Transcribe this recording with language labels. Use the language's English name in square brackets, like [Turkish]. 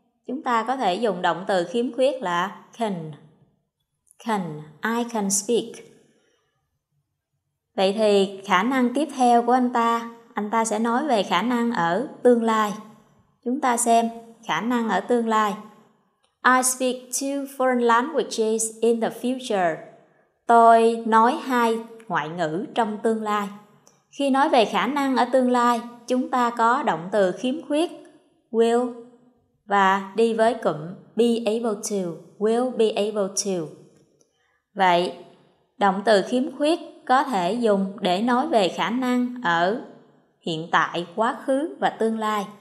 [Vietnamese] Chúng ta có thể dùng động từ khiếm khuyết là can. Can, [English] I can speak. [Vietnamese] Vậy thì khả năng tiếp theo của anh ta sẽ nói về khả năng ở tương lai. Chúng ta xem khả năng ở tương lai. [English] I speak two foreign languages in the future. [Vietnamese] Tôi nói hai ngoại ngữ trong tương lai. Khi nói về khả năng ở tương lai, chúng ta có động từ khiếm khuyết will và đi với cụm be able to, will be able to. Vậy, động từ khiếm khuyết có thể dùng để nói về khả năng ở hiện tại, quá khứ và tương lai.